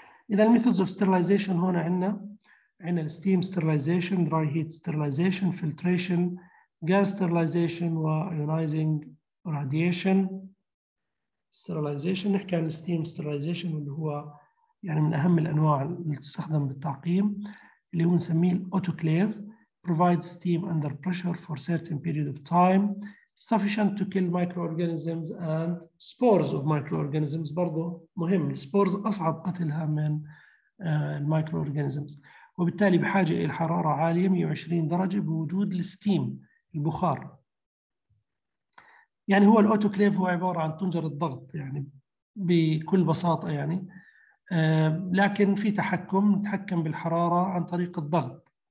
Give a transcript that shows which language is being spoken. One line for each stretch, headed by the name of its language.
English: إذا الميثودز of sterilisation,
Arabic: هنا عندنا
English: الستيم sterilisation, dry heat sterilisation, filtration, gas sterilization و ionizing radiation sterilization.
Arabic: نحكي عن steam sterilization اللي هو يعني من أهم الأنواع اللي تستخدم بالتعقيم، اللي هو نسميه autoclave.
English: Provide steam under pressure for certain period of time sufficient to kill microorganisms and spores of microorganisms.
Arabic: برضو مهم، spores أصعب قتلها من microorganisms، وبالتالي بحاجة إلى حرارة عالية 120 درجة بوجود الستيم البخار. يعني هو الأوتوكليف هو عبارة عن طنجرة ضغط يعني بكل بساطة يعني، لكن في تحكم، نتحكم بالحرارة عن طريق الضغط.